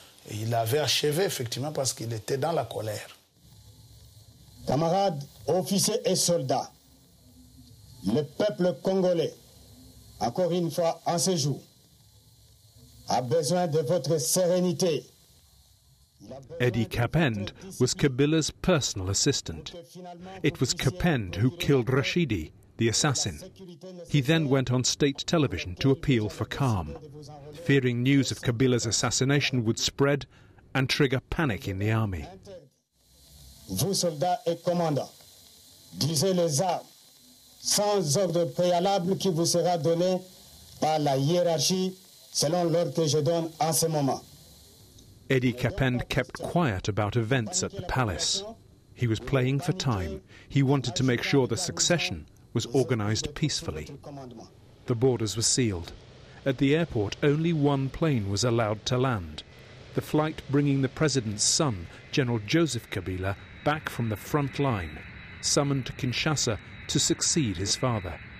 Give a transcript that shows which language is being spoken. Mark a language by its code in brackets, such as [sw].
[fr] Il avait achevé, effectivement, parce qu'il était dans la colère. Camarades, officiers et soldats, le peuple congolais, encore une fois en ce jour, a besoin de votre sérénité. [en] Eddie Kapend was Kabila's personal assistant. It was Kapend who killed Rachidi, the assassin. He then went on state television to appeal for calm, fearing news of Kabila's assassination would spread and trigger panic in the army. [fr] Vous, soldats et commandants, disez les armes sans ordre préalable qui vous sera donné par la hiérarchie selon l'ordre que je donne en ce moment. [en] Eddie Kapend kept quiet about events at the palace. He was playing for time. He wanted to make sure the succession was organized peacefully. The borders were sealed. At the airport, only one plane was allowed to land. The flight bringing the president's son, General Joseph Kabila, back from the front line, summoned to Kinshasa to succeed his father.